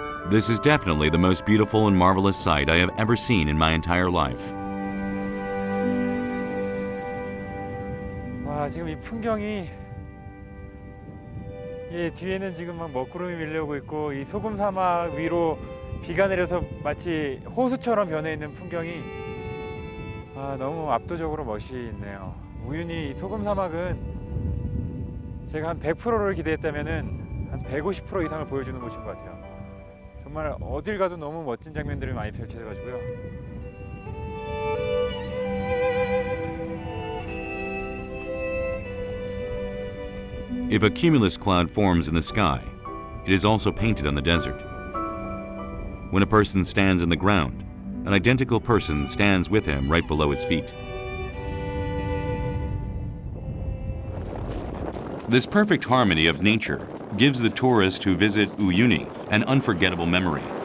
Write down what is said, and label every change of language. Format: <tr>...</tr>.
<en>This is definitely the most beautiful and marvelous sight I have ever seen in my entire life.</en> <ko>와, 지금 이 풍경이 예, 뒤에는 지금 막 먹구름이 밀려오고 있고 이 소금 사막 위로 비가 내려서 마치 호수처럼 변해 있는 풍경이 아, 너무 압도적으로 멋있네요. 우유니 소금 사막은 제가 한 100%를 기대했다면은 한 150% 이상을 보여주는 곳인 것 같아요. 정말 어딜 가도 너무 멋진 장면들이 많이 펼쳐져가지고요.</ko> <en>If a cumulus cloud forms in the sky, it is also painted on the desert. When a person stands on the ground, an identical person stands with him right below his feet. This perfect harmony of nature gives the tourists who visit Uyuni an unforgettable memory.</en>